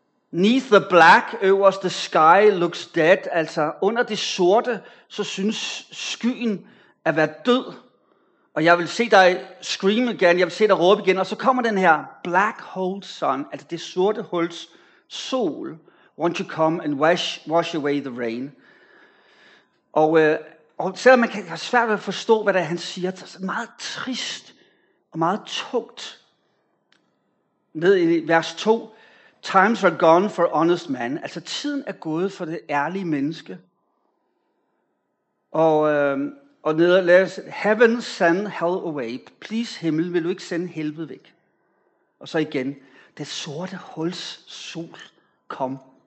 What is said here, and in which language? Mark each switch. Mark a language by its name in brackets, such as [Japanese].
[English] Neath the black, øverst the sky looks dead, [Danish] altså under det sorte, så synes skyen at være død. Og jeg vil se dig [English] scream [Danish] igen, jeg vil se dig råbe igen, og så kommer den her [English] black hole sun, [Danish] altså det sorte huls sol. [English] Won't you come and wash away the rain? [Danish] Og selvom man kan have svært ved at forstå, hvad det er, han siger, så er det meget trist og meget tungt. Ned i vers 2. [English] Times are gone for honest man. [Danish] Altså tiden er gået for det ærlige menneske. Og ned og læs. [English] Heaven send hell away. Please [Danish] himmel, vil du ikke sende helvede væk? Og så igen. Det sorte huls sol. Kom.